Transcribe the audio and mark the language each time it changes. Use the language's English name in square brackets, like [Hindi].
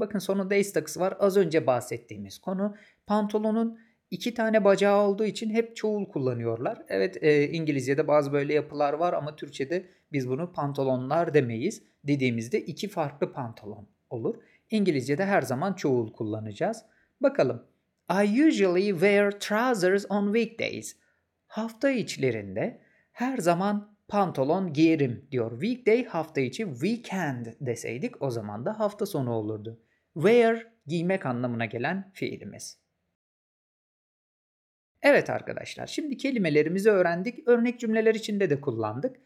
[Turkish] Bakın sonunda is takısı var. Az önce bahsettiğimiz konu. Pantolonun iki tane bacağı olduğu için hep çoğul kullanıyorlar. Evet, İngilizce'de bazı böyle yapılar var ama Türkçe'de biz bunu pantolonlar demeyiz. Dediğimizde iki farklı pantolon olur. İngilizce'de her zaman çoğul kullanacağız. Bakalım. [English] I usually wear trousers on weekdays. [Turkish] Hafta içlerinde her zaman pantolon giyerim diyor. Weekday hafta içi, weekend deseydik o zaman da hafta sonu olurdu. Wear giymek anlamına gelen fiilimiz. Evet arkadaşlar, şimdi kelimelerimizi öğrendik. Örnek cümleler içinde de kullandık.